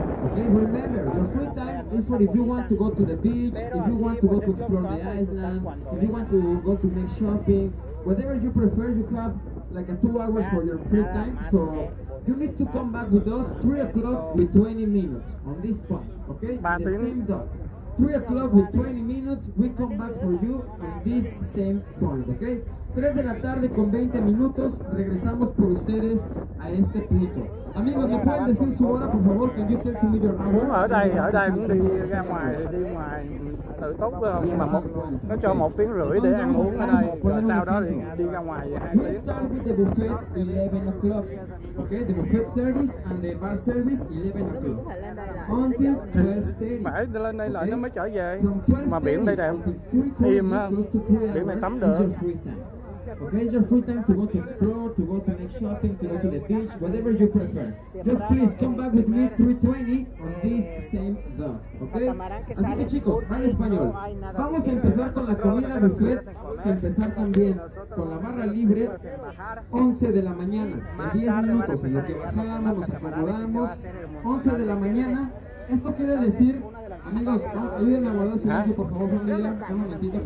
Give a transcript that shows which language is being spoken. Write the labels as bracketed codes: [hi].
[en] Okay, remember, your free time is for if you want to go to the beach, if you want to go to explore the island, if you want to go to make shopping, whatever you prefer, you have like a 2 hours for your free time. So you need to come back with us 3 o'clock with 20 minutes on this point, okay? The same dot. 3 o'clock with 20 minutes, we come back for you on this same point, okay? [es] 3 de la tarde con 20 minutos, regresamos por ustedes a este punto. Amigos, ¿me pueden decir su hora, por favor? [en] Can you tell to me your hour? [vi] Muốn ở đây muốn đi ra ngoài, đi ngoài tự túc với ông, nhưng mà một, nó cho 1 tiếng rưỡi để ăn uống ở đây, rồi sau đó thì đi ra ngoài. [en] We start with the buffet 11 o'clock. Okay, the buffet service and the bar service 11 o'clock. Until 12:30. [vi] Phải lên đây lại nó mới trở về. Mà biển đây đẹp, im ha, biển này tắm được. [en] Okay, it's your free time to go to explore, to go to make shopping, to go to the beach, whatever you prefer. Just please come back with me 3:20 on this same dock, okay? [es] Así que chicos, en español. Vamos a empezar con la comida buffet, empezar también con la barra libre, 11 de la mañana, en 10 minutos, en lo que bajamos, nos acomodamos, 11 de la mañana. Esto quiere decir, amigos, ayúdenme a guardar silencio, por favor, familia, un momentito.